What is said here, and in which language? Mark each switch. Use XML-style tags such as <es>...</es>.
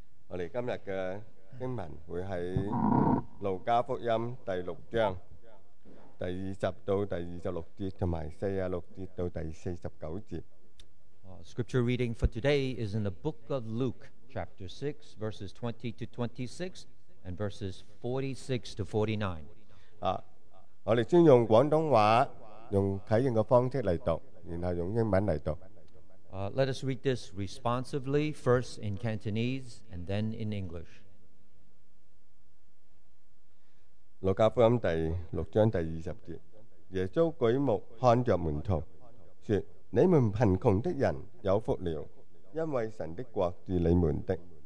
<yue>哋今日嘅经文会喺路加福音第六章第二十到第二十六节，同埋四十六节到第四十九节。</yue> <en>Scripture reading for today is in the book of Luke, chapter 6, verses 20 to 26, and verses 46 to 49.</en> <yue>我哋先用广东话用启应嘅方式嚟读，然后用英文嚟读。</yue> <en>Let us read this responsively, first in Cantonese and then in English.</en> <yue>路加福音第六章第二十节，耶稣举目看着门徒，说：你们贫穷的人有福了，因为神的国是你们的。</yue>